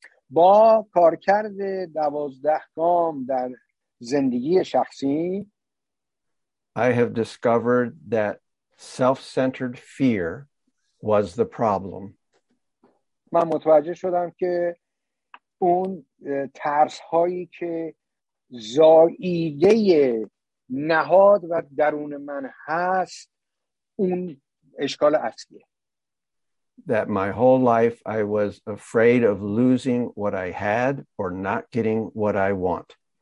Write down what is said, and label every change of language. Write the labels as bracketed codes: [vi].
[fa] با کارکرد 12 گام در زندگی شخصی [en] I have discovered that self-centered fear was the problem. [fa] من متوجه شدم که اون ترس هایی که زائیده نهاد و درون من هست اون اشکال اصلیه. [en] That my whole life I was afraid of losing what I had or not getting what I want.